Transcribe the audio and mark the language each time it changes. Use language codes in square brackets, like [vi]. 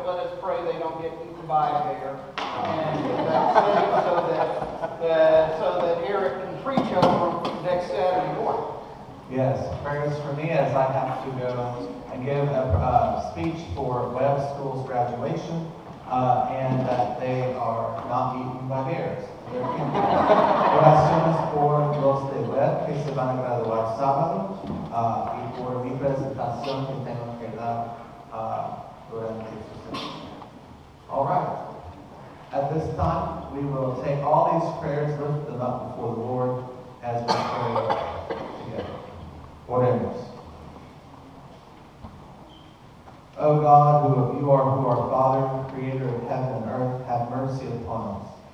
[en] Let us pray they don't get eaten by a bear. And so that Eric can preach over next Saturday morning. Yes, prayers for me as I have to go and give a speech for web school's graduation, and that they are not eaten by bears. [es] Oraciones por los de web que se van a graduar sábado y por mi presentación que tengo que dar durante su semana. [en] Alright. At this time, we will take all these prayers, lift them up before the Lord as we pray together. [es] Oremos. [en] O God, who are Father, Creator of heaven and earth, have mercy upon us.